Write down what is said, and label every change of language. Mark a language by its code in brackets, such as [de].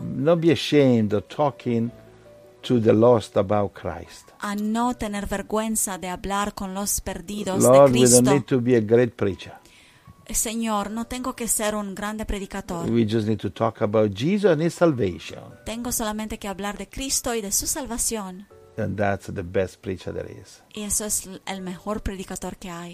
[en] Don't be ashamed of talking to the lost about Christ. [es] A no tener vergüenza de hablar con los perdidos [en] Lord, [es] de Cristo. [en] Lord, we don't need to be a great preacher. [es] Señor, no tengo que ser un grande predicador. [en] We just need to talk about Jesus and his salvation. [es] Tengo solamente que hablar de Cristo y de su salvación. [en] And that's the best preacher there is. [es] Y eso es el mejor predicador que hay.